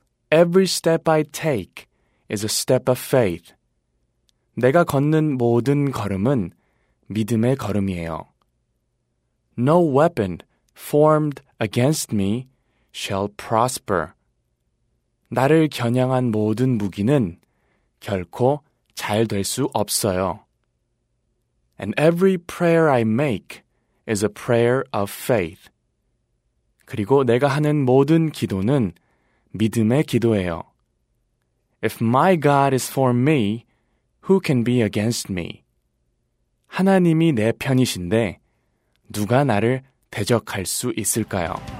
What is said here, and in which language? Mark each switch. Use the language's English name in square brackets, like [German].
[English] Every step I take is a step of faith. [Korean] 내가 걷는 모든 걸음은 믿음의 걸음이에요. [English] No weapon formed against me shall prosper. [Korean] 나를 겨냥한 모든 무기는 결코 잘 될 수 없어요. [English] And every prayer I make is a prayer of faith. [Korean] 그리고 내가 하는 모든 기도는 믿음의 기도예요. [English] If my God is for me, who can be against me? [Korean] 하나님이 내 편이신데 누가 나를 대적할 수 있을까요?